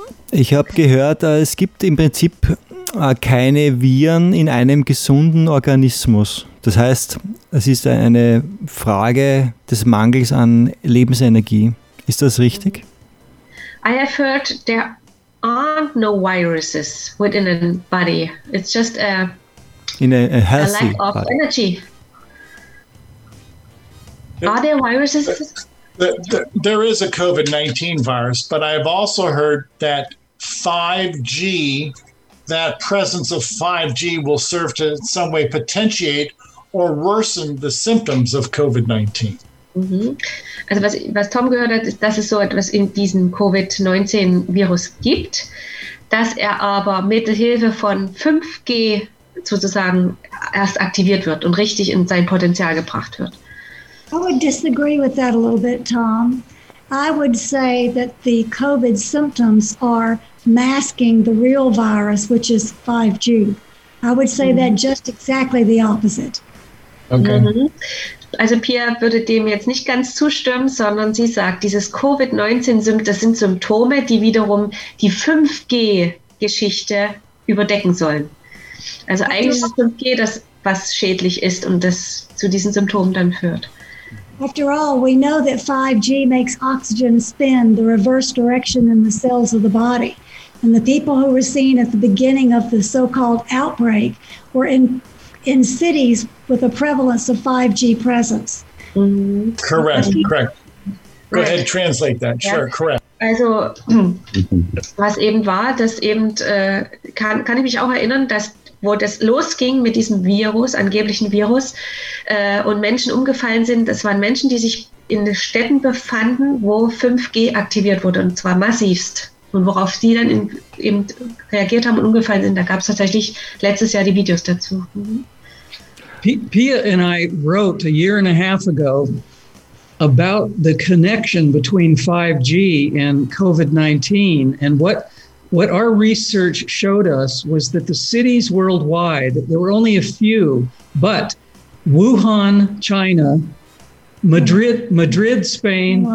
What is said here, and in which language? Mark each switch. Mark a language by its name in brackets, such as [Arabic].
[German] Ich habe gehört, es gibt im Prinzip keine Viren in einem gesunden Organismus. Das heißt, es ist eine Frage des Mangels an Lebensenergie. Ist das richtig? [English] I have heard there aren't no viruses within a body. It's just a healthy a lack of body. Energy. Are there viruses? There is a COVID-19 virus, but I have also heard that 5G, that presence of 5G will serve to in some way potentiate or worsen the symptoms of COVID-19. Mhm. [German] Also was Tom gehört hat, ist, dass es so etwas in diesem COVID-19-Virus gibt, dass er aber mit Hilfe von 5G sozusagen erst aktiviert wird und richtig in sein Potenzial gebracht wird. [English] I would disagree with that a little bit, Tom. I would say that the COVID symptoms are masking the real virus, which is 5G. I would say that just exactly the opposite. Okay. Mm-hmm. [German] Also Pia würde dem jetzt nicht ganz zustimmen, sondern sie sagt, dieses COVID-19-Symptom, das sind Symptome, die wiederum die 5G-Geschichte überdecken sollen. Also eigentlich ist 5G das, was schädlich ist und das zu diesen Symptomen dann führt. [English] After all, we know that 5G makes oxygen spin the reverse direction in the cells of the body. And the people who were seen at the beginning of the so-called outbreak were in cities with a prevalence of 5G presence. Mm-hmm. Correct. Go ahead, translate that. Sure, yeah. Correct. [German] Also, was eben war, dass eben, kann ich mich auch erinnern, dass wo das losging mit diesem Virus, angeblichen Virus, und Menschen umgefallen sind, das waren Menschen, die sich in Städten befanden, wo 5G aktiviert wurde, und zwar massivst. Und worauf sie dann eben reagiert haben und umgefallen sind, da gab es tatsächlich letztes Jahr die Videos dazu. [English] Pia and I wrote a year and a half ago about the connection between 5G and COVID-19 and what our research showed us was that the cities worldwide, there were only a few, but Wuhan, China, Madrid, Spain.